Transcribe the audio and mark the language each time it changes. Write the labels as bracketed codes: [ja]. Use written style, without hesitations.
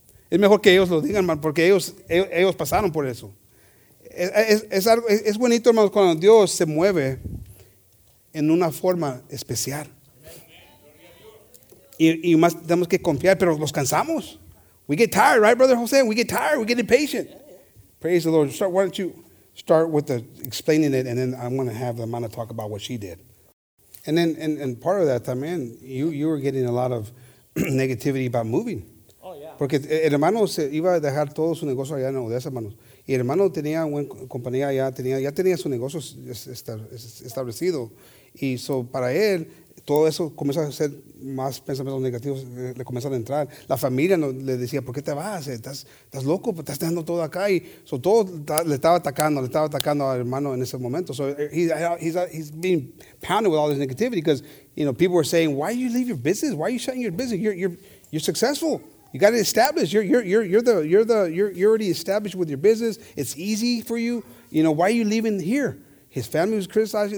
[es] Es mejor que ellos lo digan, hermanos, porque ellos pasaron por eso. Es bonito, hermanos, cuando Dios se mueve en una forma especial. Y más tenemos que confiar, pero nos cansamos. [en] We get tired, right, Brother Jose? We get tired. We get impatient. Praise the Lord. Why don't you start with explaining it, and then I'm going to have the mana talk about what she did. And then, and part of that, man, you were getting a lot of negativity about moving. Oh, yeah. [es] Porque el hermano se iba a dejar todo su negocio allá en Odessa, hermanos. Y el hermano tenía una compañía, ya tenía su negocio establecido. Y so para él, todo eso comienza a ser más pensamientos negativos, le comienzan a entrar. La familia no, le decía, ¿por qué te vas? ¿Estás loco? ¿Estás dejando todo acá? Y so todo le estaba atacando al hermano en ese momento. [en] So he's being pounded with all this negativity because, you know, people were saying, why do you leave your business? Why are you shutting your business? You're successful. You got it established. You're already established with your business. It's easy for you. You know, why are you leaving here? His family was criticizing.